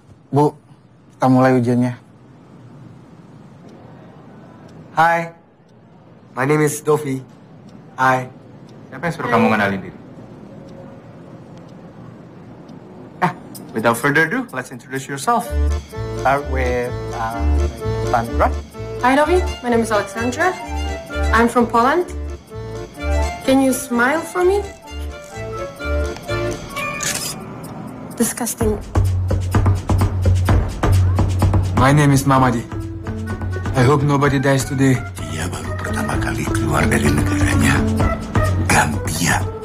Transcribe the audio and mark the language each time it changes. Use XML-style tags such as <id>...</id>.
<id>Bu, kita mulai ujiannya.</id> <en>Hi, my name is Dovi. Hi.</en> <id>Siapa yang suruh kamu kenalin diri?</id> <en>Without further ado, let's introduce yourself. Start with Sandra. Hi, Dovi. My name is Alexandra. I'm from Poland. Can you smile for me? Disgusting. My name is Mamadi. I hope nobody dies today.</en> <id>Dia baru pertama kali keluar dari negaranya, Gambia.</id>